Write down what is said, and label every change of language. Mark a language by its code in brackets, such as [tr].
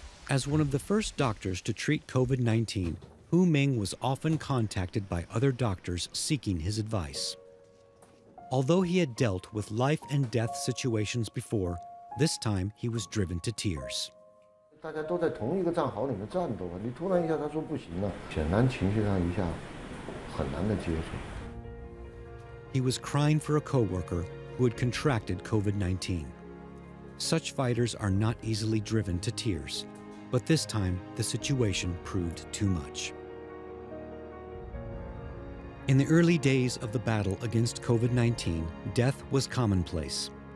[en] As one of the first doctors to treat COVID-19, Hu Ming was often contacted by other doctors seeking his advice. Although he had dealt with life and death situations before, this time he was driven to tears. [zh] 大家都在同一个战壕里面战斗，你突然一下他说不行了，显然情绪上一下很难的接受。 [en] He was crying for a co-worker who had contracted COVID-19. Such fighters are not easily driven to tears, but this time the situation proved too much. In the early days of the battle against COVID-19, death was commonplace.